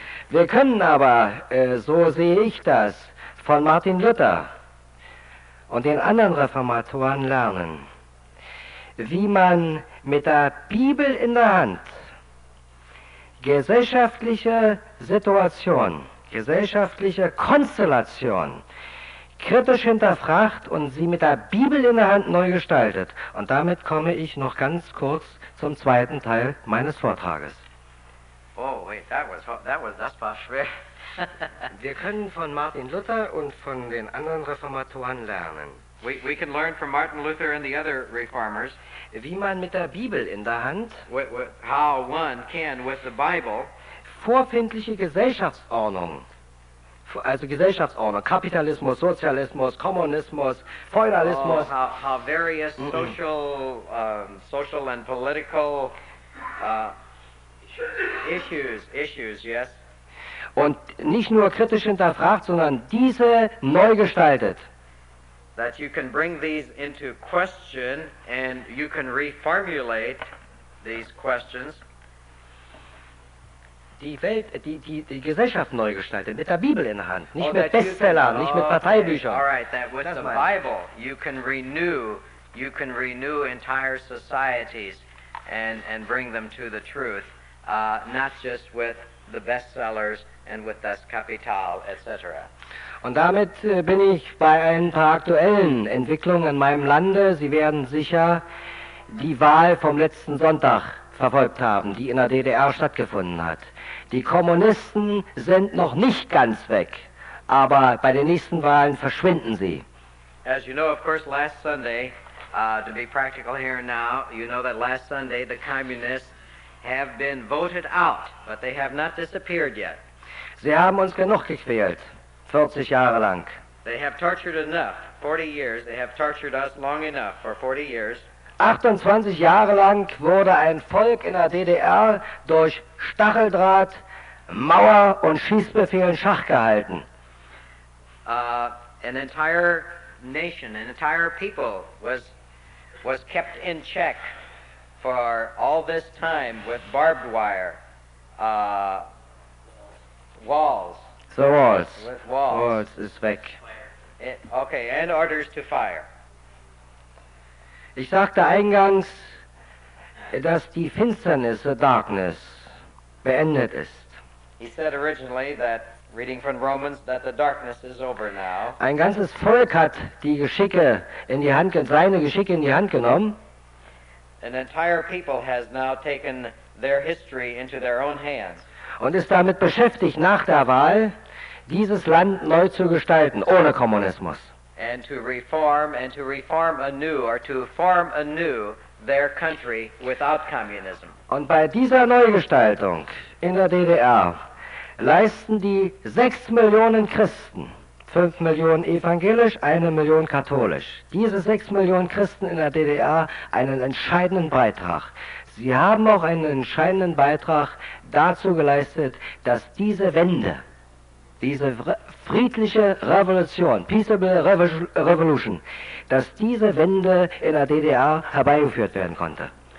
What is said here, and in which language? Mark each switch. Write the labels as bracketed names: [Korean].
[German] Wir können aber, so sehe ich das, von Martin Luther und den anderen Reformatoren lernen, wie man mit der Bibel in der Hand gesellschaftliche Situation, gesellschaftliche Konstellation kritisch hinterfragt und sie mit der Bibel in der Hand neu gestaltet. Und damit komme ich noch ganz kurz zum zweiten Teil meines Vortrages. [English] Oh, wait, [German] das war schwer. Wir können von Martin Luther und von den anderen Reformatoren lernen. [English] We can learn from Martin Luther and the other reformers. [German] Wie man mit der Bibel in der Hand [English] how one can with the Bible [German] vorfindliche Gesellschaftsordnung, also Gesellschaftsordnung, Kapitalismus, Sozialismus, Kommunismus, Feudalismus. [English] Oh, how various social and political issues, yes. [German] Und nicht nur kritisch hinterfragt, sondern diese neu gestaltet. [English] That you can bring these into question and you can reformulate these questions. [German] Die Welt, die Gesellschaft neu gestaltet, mit der Bibel in der Hand, nicht mit Bestsellern, nicht mit Parteibüchern. [English] All right, that with the Bible, you can renew entire societies and bring them to the truth, not just with the bestsellers and with Das Kapital, etc. [German] Und damit bin ich bei ein paar aktuellen Entwicklungen in meinem Lande. Sie werden sicher die Wahl vom letzten Sonntag verfolgt haben, die in der DDR stattgefunden hat. Die Kommunisten sind noch nicht ganz weg, aber bei den nächsten Wahlen verschwinden sie. [English] As you know, of course, last Sunday, to be practical here now, you know that last Sunday the communists have been voted out, but they have not disappeared yet. [German] Sie haben uns genug gequält, 40 Jahre lang. [English] They have tortured enough, 40 years, they have tortured us long enough for 40 years. [German] 28 Jahre lang wurde ein Volk in der DDR durch Stacheldraht, Mauer und Schießbefehl in Schach gehalten. [English] An entire nation, an entire people was kept in check for all this time with barbed wire, walls. The walls. With walls. Walls is [German] weg. [English] Okay, and orders to fire. [German] Ich sagte eingangs, dass die Finsternis, [English] the darkness, [German] beendet ist. [English] He said originally that, reading from Romans, that the darkness is over now. [German] Ein ganzes Volk hat die Geschicke in die Hand, seine Geschicke in die Hand genommen. [English] An entire people has now taken their history into their own hands. [German] Und ist damit beschäftigt, nach der Wahl dieses Land neu zu gestalten, ohne Kommunismus. [English] And to reform anew, or to form anew their country without communism. [German] Und bei dieser Neugestaltung in der DDR leisten die 6 Millionen Christen, 5 Millionen evangelisch, 1 Million katholisch, diese 6 Millionen Christen in der DDR einen entscheidenden Beitrag. Sie haben auch einen entscheidenden Beitrag dazu geleistet, dass diese Wende, diese friedliche Revolution, [English] peaceable revolution, [German] dass diese Wende in der DDR herbeigeführt werden konnte.